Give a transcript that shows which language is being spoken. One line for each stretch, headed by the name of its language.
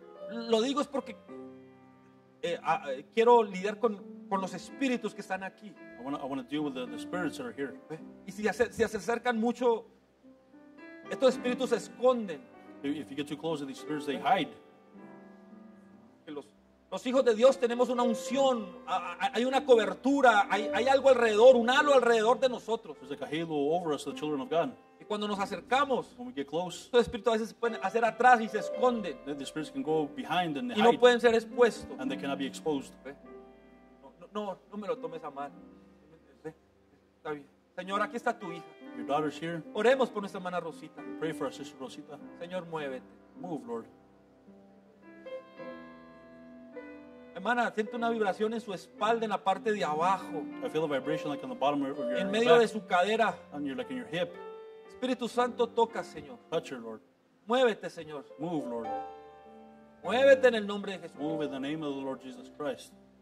Spanish: Lo digo es porque quiero lidiar con los espíritus que están aquí.
English: I want to deal with the spirits that are here.
Spanish: Y si se acercan mucho, estos espíritus se esconden.
English: If you get too close to these spirits, they hide.
Spanish: Los hijos de Dios tenemos una unción, hay una cobertura, hay algo alrededor, un halo alrededor de nosotros.
English: There's like a halo over us, the children of God.
Spanish: Y cuando nos acercamos,
English: when we get close,
Spanish: estos espíritus a veces se pueden hacer atrás y se esconden.
English: Then the spirits can go behind and
Spanish: y
English: hide.
Spanish: No pueden ser expuestos.
English: And they cannot be exposed.
Spanish: No me lo tomes a mal. Está bien. Señor, aquí está tu hija.
English: Your daughter's here.
Spanish: Oremos por nuestra hermana Rosita.
English: Pray for our sister Rosita.
Spanish: Señor, muévete.
English: Move, Lord.
Spanish: Hermana, siento una vibración en su espalda, en la parte de abajo.
English: I feel a vibration like on the bottom of your
Spanish: En medio
English: back,
Spanish: de su cadera.
English: On your, like in your hip.
Spanish: Espíritu Santo, toca, Señor.
English: Touch her, Lord.
Spanish: Muévete, Señor.
English: Move, Lord.
Spanish: Muévete en el nombre de Jesús.
English: Move in the name of the Lord Jesus Christ.